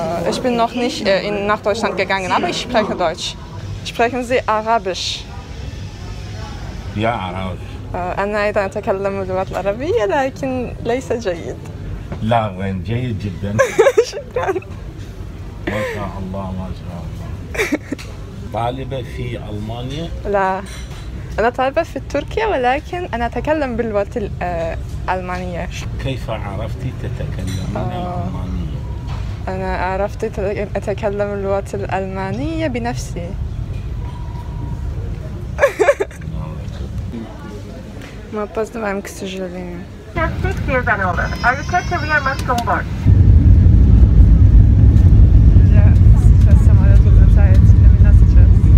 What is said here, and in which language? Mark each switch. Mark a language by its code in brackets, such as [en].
[de] Ich bin noch nicht nach Deutschland gegangen, aber ich spreche Deutsch. Sprechen Sie Arabisch? Ja, Arabisch. [ar] أنا أيضا أتكلم اللغة العربية لكن ليس جيد. لا، وين جيد جدا. شكرا. ما شاء الله ما شاء الله. طالبة في ألمانيا؟ لا، أنا طالبة في تركيا ولكن أنا أتكلم باللغة الألمانية. كيف عرفتي تتكلمين الألمانية؟ أنا عرفت أتكلم اللغة الألمانية بنفسي. [ru] Мы опаздываем, к сожалению. Сейчас самолет улетает. Для меня сейчас.